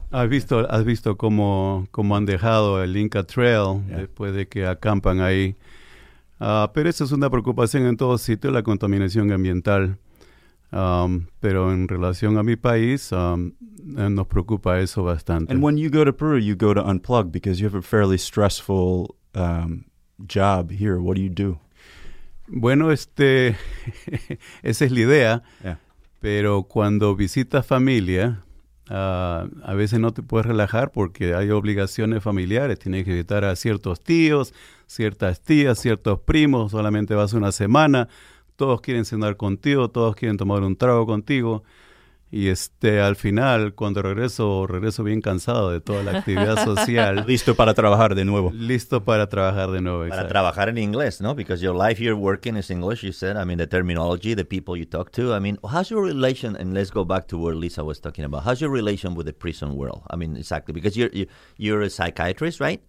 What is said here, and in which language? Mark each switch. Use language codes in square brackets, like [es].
[es] ¿Has visto cómo han dejado el Inca Trail después de que acampan ahí? Pero eso es una preocupación en todo sitio, la contaminación ambiental. Pero en relación a mi país, nos preocupa eso bastante. [en] And when you go to Peru, you go to unplug because you have a fairly stressful job here. What do you do? [es] Bueno, esa es la idea. Yeah. Pero cuando visitas familia, a veces no te puedes relajar porque hay obligaciones familiares. Tienes que visitar a ciertos tíos, ciertas tías, ciertos primos. Solamente vas una semana. Todos quieren cenar contigo, todos quieren tomar un trago contigo. Y al final, cuando regreso bien cansado de toda la actividad social. Listo para trabajar de nuevo. Listo para trabajar de nuevo. Para trabajar en inglés, ¿no? [en] Because your life here working is English, you said. I mean, the terminology, the people you talk to. I mean, how's your relation, and let's go back to where Lisa was talking about. How's your relation with the prison world? I mean, exactly. Because you're a psychiatrist, right?